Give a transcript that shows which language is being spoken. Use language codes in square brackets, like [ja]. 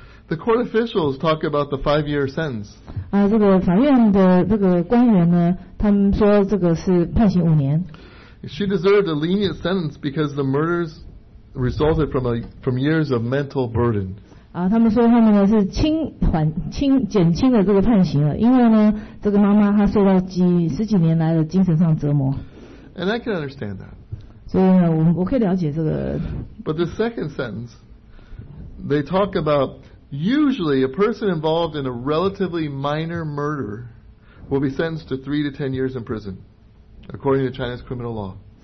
[en] The court officials talk about the 5-year sentence. [zh] 这个法院的这个官员呢, 他们说这个是判刑五年。 [en] She deserved a lenient sentence because the murders resulted from years of mental burden. [zh] 他们说他们呢是减轻了这个判刑了，因为呢，这个妈妈她受到十几年来的精神上折磨。 [en] And I can understand that. [zh] 所以呢，我可以了解这个。 [en] But the second sentence, they talk about usually a person involved in a relatively minor murder will be sentenced to 3 to 10 years in prison, according to China's criminal law.